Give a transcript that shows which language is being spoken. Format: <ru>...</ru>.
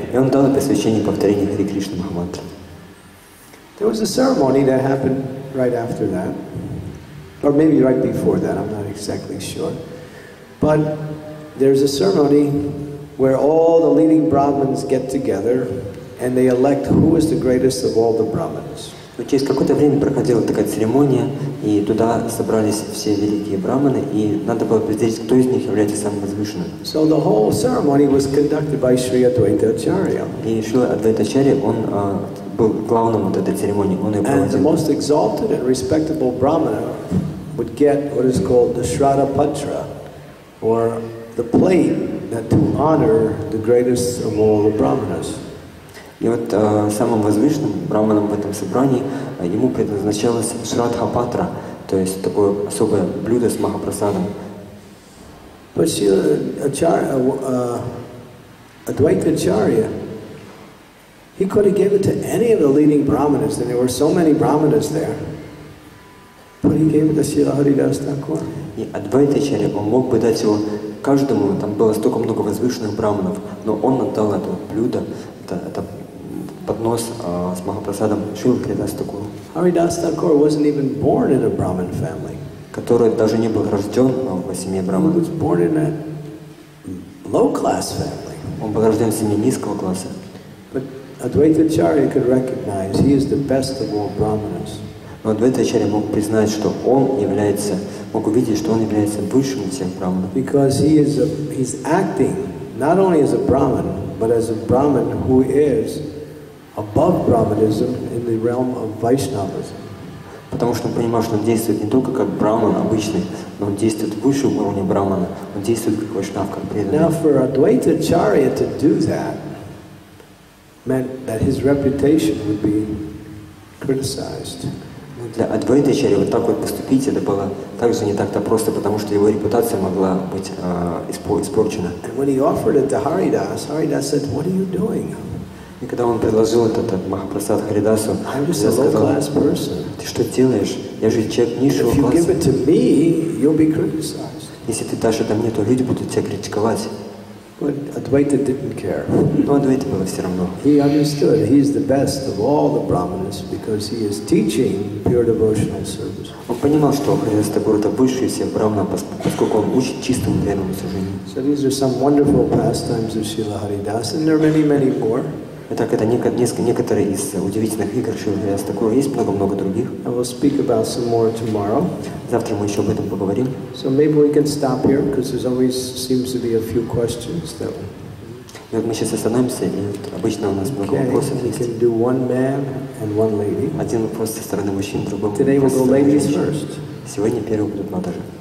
<ru>И он дал посвящение повторения Хари Кришна Махамантры.</ru> <en>There was a ceremony that happened right after that, or maybe right before that, I'm not exactly sure. But there's a ceremony where all the leading Brahmins get together and they elect who is the greatest of all the Brahmins.</en> <ru>Но через какое-то время проходила такая церемония, и туда собрались все великие брахманы, и надо было определить, кто из них является самым возвышенным.</ru> <en>So the whole ceremony was conducted by Sri Advaita Acharya.</en> <ru>И Шри Адвайта Ачарья, он был главным вот этой церемонии, он ее проводил.</ru> <en>And the most exalted and respectable brahmana would get what is called the Shraddha Patra, or the plate that to honor the greatest of all the brahmanas.</en> <ru>И вот самым возвышенным браманом в этом собрании ему предназначалось Шрадхапатра, то есть такое особое блюдо с Махапрасадом.</ru> <en>But Srila Advaita Acharya, he could have given it to any of the leading brahmanas, and there were so many brahmanas there. But he gave it to Srila Haridas Thakur.</en> <ru>И Адвайта Ачарья, он мог бы дать его каждому, там было столько много возвышенных браманов, но он отдал это блюдо, это поднос с Махапрасадом Шрилы Харидас Такур.</ru> <en>Haridas Thakur wasn't even born in a Brahmin family.</en> <ru>Который даже не был рожден в семье Брахмана.</ru> <en>He was born in a low-class family.</en> <ru>Он был рожден в семье низкого класса.</ru> <en>But Advaita Acharya could recognize he is the best of all Brahmanas.</en> <ru>Но Advaita Acharya мог признать, что он является, мог увидеть, что он является высшим из всех Брахманов.</ru> <en>Because he's acting not only as a Brahmin, but as a Brahmin who is above Brahmanism in the realm of Vaishnavism.</en> <ru>Потому что он понимал, что он действует не только как Брахман обычный, но он действует выше уровня Брахмана, он действует как Вайшнав, как преданный.</ru> <en>Now for Advaita Acharya to do that meant that his reputation would be criticized.</en> <ru>Для Адвайты Ачарьи вот так вот поступить, это было также не так-то просто, потому что его репутация могла быть испорчена.</ru> <en>And when he offered it to Haridas, Haridas said, what are you doing?</en> <ru>И когда он предложил это Махапрасад Харидасу, я сказал, ты что делаешь? Я же человек низшего класса.</ru> <en>If you give it to me, you'll be criticized.</en> <ru>Если ты дашь это мне, то люди будут тебя критиковать.</ru> <en>But Advaita didn't care.</en> <ru>Но Адвайте было все равно.</ru> <en>He understood he's the best of all the brahmanas because he is teaching pure devotional service.</en> <ru>Он понимал, что Харидас Тхакур это высший из всех брахман, поскольку он учит чистому преданному служению.</ru> <en>So these are some wonderful pastimes of Srila Haridas, and there are many, many more.</en> <ru>Итак, это некоторые из удивительных игр Шрилы Такура. Есть много-много других.</ru> <en>I will speak about some more tomorrow.</en> <ru>Завтра мы еще об этом поговорим.</ru> <en>So maybe we can stop here, because there always seems to be a few questions. That...</en> <ru>И вот мы сейчас остановимся, и вот обычно у нас много вопросов есть.</ru> <en>We can do one man and one lady.</en> <ru>Один вопрос со стороны мужчин, другой</ru> <en>Today</en> <ru>вопрос со стороны женщин.</ru> <en>Ladies first.</en> <ru>Сегодня первый будут матажи.</ru>